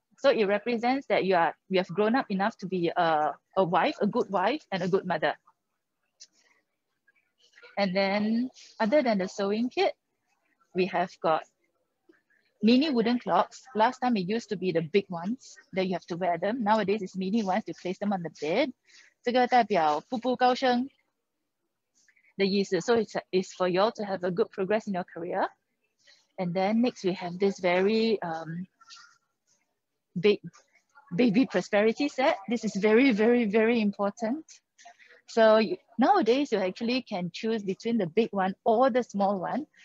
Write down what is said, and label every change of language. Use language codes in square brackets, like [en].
[en] So it represents that you have grown up enough to be a wife, a good wife, and a good mother. And then other than the sewing kit, we have got mini wooden clocks. Last time it used to be the big ones that you have to wear them. Nowadays it's mini ones to place them on the bed. [zh] 这个代表步步高升的意思. [en] So it's for you all to have a good progress in your career. And then next we have this very baby prosperity set. This is very, very, very important. So nowadays you actually can choose between the big one or the small one.